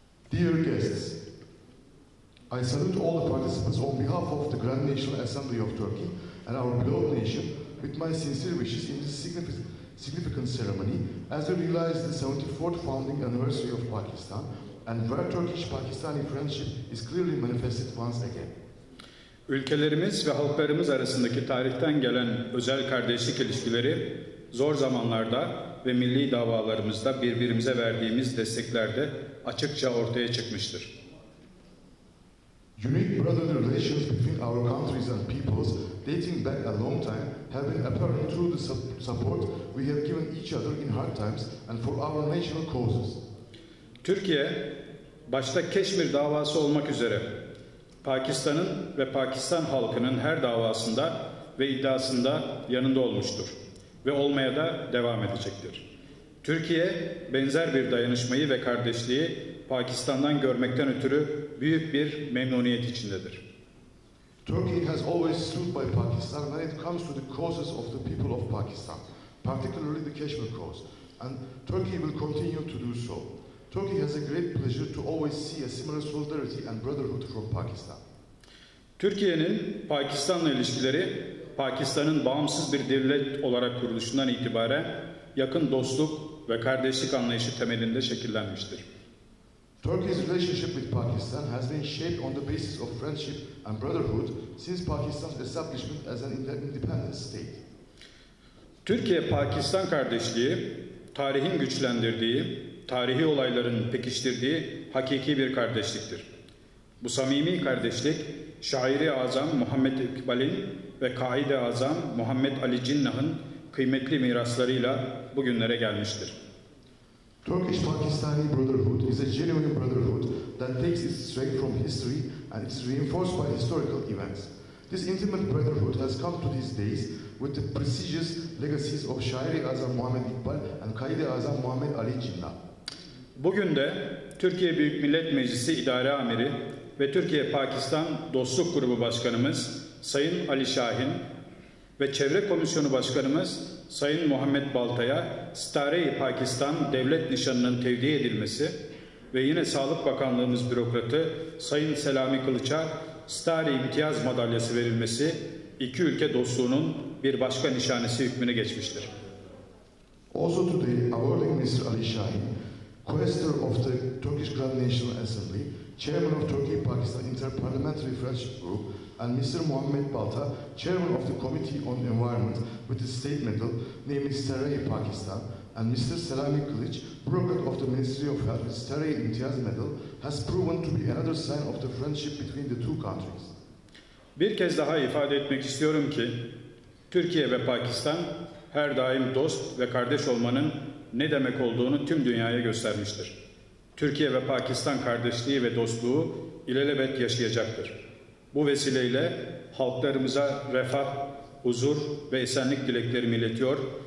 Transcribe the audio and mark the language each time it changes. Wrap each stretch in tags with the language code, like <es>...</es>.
<en>Dear guests, I salute all the participants on behalf of the Grand National Assembly of Turkey and our beloved nation with my sincere wishes in this significant ceremony as we realize the 74th founding anniversary of Pakistan and where Turkish-Pakistani friendship is clearly manifested once again.</en> <tr>Ülkelerimiz ve halklarımız arasındaki tarihten gelen özel kardeşlik ilişkileri zor zamanlarda ve milli davalarımızda birbirimize verdiğimiz desteklerde açıkça ortaya çıkmıştır.</tr> <en>Unique brotherly relations between our countries and peoples dating back a long time, have been apparent through the support we have given each other in hard times and for our national causes.</en> <tr>Türkiye, başta Keşmir davası olmak üzere, Pakistan'ın ve Pakistan halkının her davasında ve iddiasında yanında olmuştur ve olmaya da devam edecektir. Türkiye, benzer bir dayanışmayı ve kardeşliği Pakistan'dan görmekten ötürü büyük bir memnuniyet içindedir.</tr> <en>Turkey has always stood by Pakistan when it comes to the causes of the people of Pakistan, particularly the Kashmir cause, and Turkey will continue to do so. Turkey has a great pleasure to always see a similar solidarity and brotherhood from Pakistan.</en> <tr>Türkiye'nin Pakistan'la ilişkileri, Pakistan'ın bağımsız bir devlet olarak kuruluşundan itibaren yakın dostluk ve kardeşlik anlayışı temelinde şekillenmiştir.</tr> <en>Turkey's relationship with Pakistan has been shaped on the basis of friendship and brotherhood since Pakistan's establishment as an independent state.</en> <tr>Türkiye-Pakistan kardeşliği, tarihin güçlendirdiği, tarihi olayların pekiştirdiği hakiki bir kardeşliktir. Bu samimi kardeşlik, şair-i azam Muhammed İkbal'in ve kaide-i azam Muhammed Ali Cinnah'ın kıymetli miraslarıyla bugünlere gelmiştir.</tr> <en>Turkish-Pakistani brotherhood is a genuine brotherhood that takes its strength from history and is reinforced by historical events. This intimate brotherhood has come to these days with the prestigious legacies of Şair-i Azam Muhammed İkbal and Kaide-i Azam Muhammed Ali Cinnah.</en> <tr>Bugün de Türkiye Büyük Millet Meclisi İdare Amiri ve Türkiye-Pakistan Dostluk Grubu Başkanımız Sayın Ali Şahin ve Çevre Komisyonu Başkanımız Sayın Muhammed Baltay'a Sitare-i Pakistan Devlet Nişanı'nın tevdi edilmesi ve yine Sağlık Bakanlığımız bürokratı Sayın Selami Kılıç'a Sitare-i İmtiyaz Madalyası verilmesi iki ülke dostluğunun bir başka nişanesi hükmüne geçmiştir.</tr> <en>Also today, awarding Mr. Ali Şahin, Quaestor of the Turkish Grand National Assembly, Chairman of Turkey-Pakistan Interparliamentary Friendship Group, and Mr. Muhammed Balta, Chairman of the Committee on Environment with the State Medal, named Sitare-i Pakistan, and Mr. Selami Kılıç, Bureaucrat of the Ministry of Health with Sitare-i İmtiyaz Medal, has proven to be another sign of the friendship between the two countries.</en> <tr>Bir kez daha ifade etmek istiyorum ki, Türkiye ve Pakistan her daim dost ve kardeş olmanın ne demek olduğunu tüm dünyaya göstermiştir. Türkiye ve Pakistan kardeşliği ve dostluğu ilelebet yaşayacaktır. Bu vesileyle halklarımıza refah, huzur ve esenlik dileklerimi iletiyor.</tr>